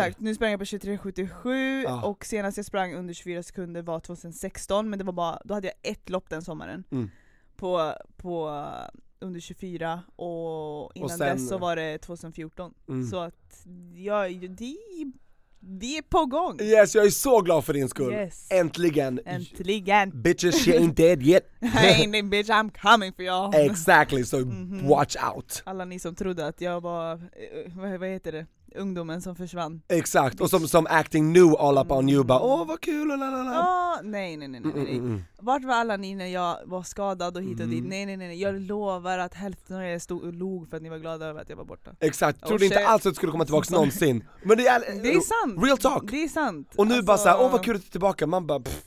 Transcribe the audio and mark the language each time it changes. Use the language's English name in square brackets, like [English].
[Swedish] Exakt, nu sprang jag på 23:77. Ja. Och senast jag sprang under 24 sekunder var 2016. Men det var bara, då hade jag ett lopp den sommaren. Mm. På under 24. Och innan och sen, dess så var det 2014. Mm. Så att jag är ju det är på gång. Yes, jag är så glad för din skull. Yes. Äntligen. Äntligen. [English] Bitches, she ain't dead yet. Hey, ain't it, bitch, I'm coming for y'all. Exactly, so watch out. [Swedish] Alla ni som trodde att jag var, vad heter det, ungdomen som försvann. [English] Exakt, bitch. Och som acting new all up on you. [Swedish] Bara, åh, vad kul. Oh, nej. Vart var alla ni när jag var skadad och hit och dit? Nej. Jag lovar att hälften av er stod och log för att ni var glada över att jag var borta. Exakt, trodde inte alls att du skulle komma tillbaka någonsin. Men det är sant. [English] Real talk. [Swedish] Det är sant. Och nu alltså, bara så här, åh, vad kul att du är tillbaka. Man bara, pff.